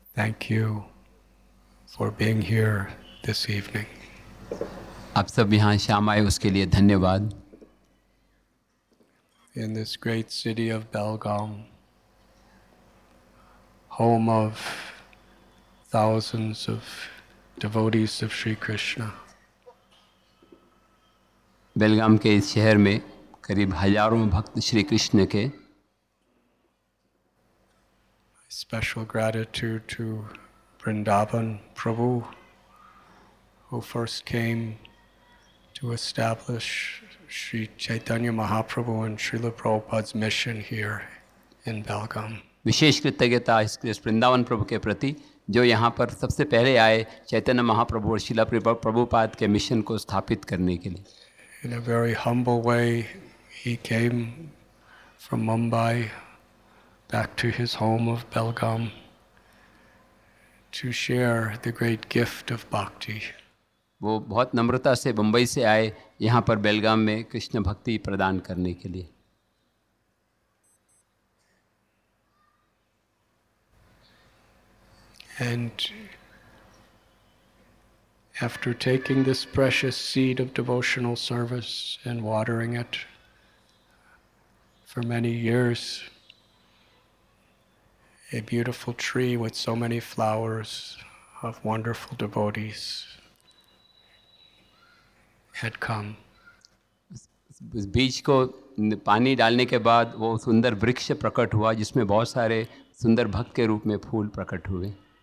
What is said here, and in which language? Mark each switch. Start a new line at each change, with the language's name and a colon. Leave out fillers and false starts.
English: Thank you for being here this evening.
Hindi: आप सब यहाँ शाम आए उसके लिए धन्यवाद.
English: In this great city of Belgaum, home of thousands of devotees of Sri Krishna.
Hindi: बेलगाम के इस शहर में करीब हजारों भक्त श्री कृष्ण के.
English: Special gratitude to Vrindavan Prabhu, who first came to establish Sri Chaitanya Mahaprabhu and Srila Prabhupada's mission here in Belgaum.
Hindi: विशेष कृतज्ञता इस वृंदावन प्रभु के प्रति जो यहाँ पर सबसे पहले आए चैतन्य महाप्रभु और शिला प्रभुपाद के मिशन को स्थापित करने के लिए.
English: In a very humble way, he came from Mumbai back to his home of Belgaum to share the great gift of bhakti.
Hindi: वो बहुत नम्रता से मुंबई से आए यहाँ पर बेलगाम में कृष्ण भक्ति प्रदान करने के लिए.
English: And after taking this precious seed of devotional service and watering it for many years, a beautiful tree with so many flowers of wonderful devotees had come.
Hindi: उस बीज को पानी डालने के बाद वो सुंदर वृक्ष प्रकट हुआ जिसमें बहुत सारे सुंदर भक्त के रूप में फूल प्रकट हुए.